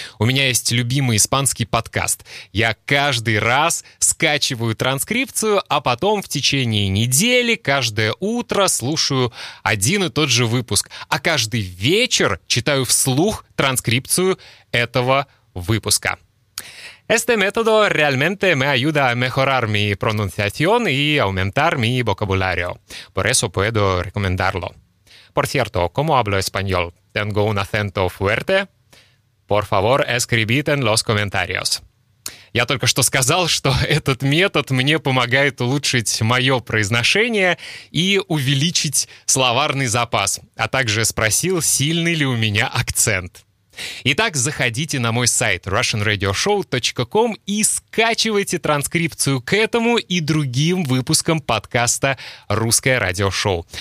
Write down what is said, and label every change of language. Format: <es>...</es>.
<ru>У меня есть любимый испанский подкаст. Я каждый раз скачиваю транскрипцию, а потом в течение недели каждое утро слушаю один и тот же выпуск, а каждый вечер читаю вслух транскрипцию этого выпуска.</ru> <es>Este método realmente me ayuda a mejorar mi pronunciación y aumentar mi vocabulario. Por eso puedo recomendarlo. Por cierto, ¿cómo hablo español? ¿Tengo un acento fuerte? Por favor, escribid en los comentarios.</es> <ru>Я только что сказал, что этот метод мне помогает улучшить мое произношение и увеличить словарный запас, а также спросил, сильный ли у меня акцент. Итак, заходите на мой сайт russianradioshow.com и скачивайте транскрипцию к этому и другим выпускам подкаста «Русское радиошоу».</ru>